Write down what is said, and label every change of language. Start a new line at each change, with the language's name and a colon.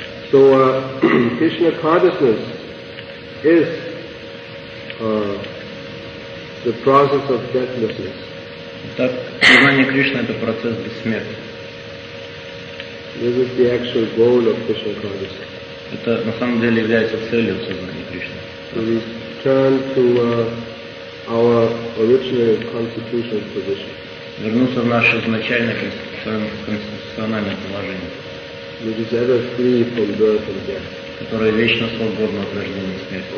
English: So Krishna consciousness is the process of deathlessness.
Russian: Так, сознание Кришны – это процесс бессмертия.
English: This is the actual goal of Krishna consciousness.
Russian: Это на самом деле является целью сознания Кришны.
English: So we turn to our original constitutional position.
Russian: Вернуться в наше изначальное конституциональное положение.
English: Which is ever free from birth and death.
Russian: Которое вечно свободно от рождения и смерти.